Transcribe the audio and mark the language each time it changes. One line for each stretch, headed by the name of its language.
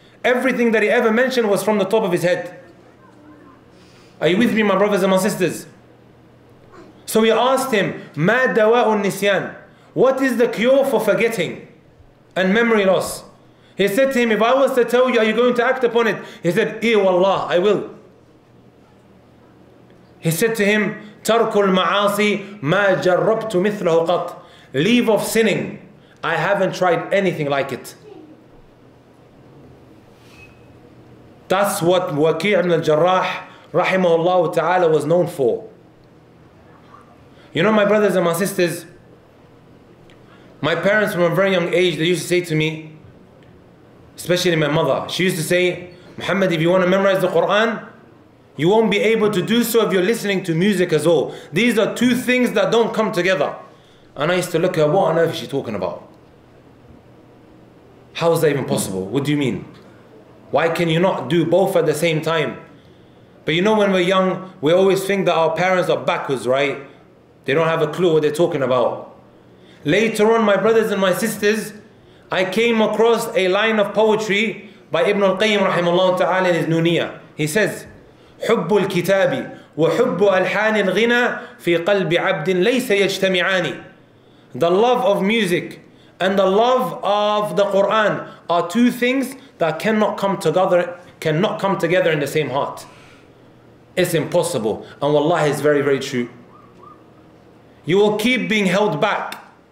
English: Everything that he ever mentioned was from the top of his head. Are you with me, my brothers and my sisters? So he asked him,
Arabic: مَا دَوَاءُ النِّسْيَانِ.
English: What is the cure for forgetting and memory loss? He said to him, if I was to tell you, are you going to act upon it? He said,
Arabic: إِيَ وَاللَّهِ,
English: I will. He said to him,
Arabic: تَرْكُ الْمَعَاصِي مَا جَرَّبْتُ مِثْلَهُ قَطْ.
English: Leave off sinning, I haven't tried anything like it. That's what Waqi' ibn al-Jarrah rahimahullah ta'ala was known for. You know, my brothers and my sisters, my parents from a very young age, they used to say to me, especially my mother, she used to say, Muhammad, if you want to memorize the Quran, you won't be able to do so if you're listening to music as well. These are two things that don't come together. And I used to look at her, what on earth is she talking about? How is that even possible? What do you mean? Why can you not do both at the same time? But you know, when we're young, we always think that our parents are backwards, right? They don't have a clue what they're talking about. Later on, my brothers and my sisters, I came across a line of poetry by Ibn al-Qayyim rahimahullah ta'ala in his Nuniyah. He says,
Arabic: حُبُّ الْكِتَابِ وَحُبُّ أَلْحَانِ الْغِنَى فِي قَلْبِ عَبْدٍ لَيْسَ يَجْتَمِعَانِ.
English: The love of music and the love of the Qur'an are two things that cannot come together in the same heart. It's impossible. And wallahi, it's very, very true. You will keep being held back.